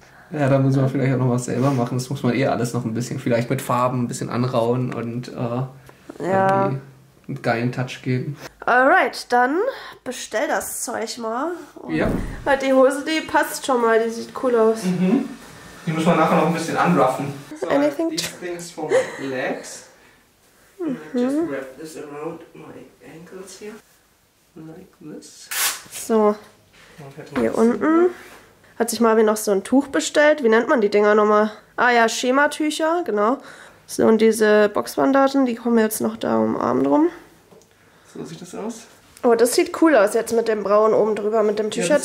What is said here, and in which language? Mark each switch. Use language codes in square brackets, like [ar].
[de] Ja, da muss man vielleicht auch noch was selber machen. Das muss man eh alles noch ein bisschen, vielleicht mit Farben ein bisschen anrauen und einen geilen Touch geben. Alright, dann bestell das Zeug mal. Und ja. Weil die Hose, die passt schon mal, die sieht cool aus. Mhm. Die muss man nachher noch ein bisschen unruffen. [en] So, anything these things for my legs. Mhm. And I just wrap this around my ankles here. Like this. [de] So. Hier unten. Hat sich Marvin noch so ein Tuch bestellt. Wie nennt man die Dinger nochmal? Ah ja, Schematücher, genau. So, und diese Boxbandagen, die kommen jetzt noch da um den Arm drum. So sieht das aus. Oh, das sieht cool aus jetzt mit dem Braun oben drüber, mit dem T-Shirt.